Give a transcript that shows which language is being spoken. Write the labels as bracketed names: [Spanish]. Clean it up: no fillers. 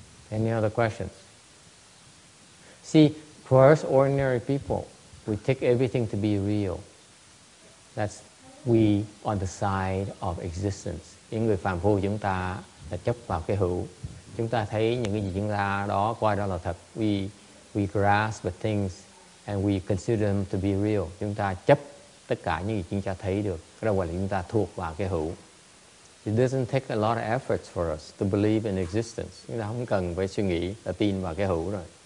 [English] Any other questions? See, for us ordinary people, we take everything to be real. That's we on the side of existence. [Vietnamese] Những người phàm phu chúng ta là chấp vào cái hữu. Chúng ta thấy những cái gì chúng ta đó coi đó là thật. [English] We grasp the things and we consider them to be real. [Vietnamese] Chúng ta chấp tất cả những gì chúng ta thấy được. Cái đó gọi là chúng ta thuộc vào cái hữu. [English] It doesn't take a lot of efforts for us to believe in existence. [Vietnamese] Chúng ta không cần phải suy nghĩ là tin vào cái hữu rồi.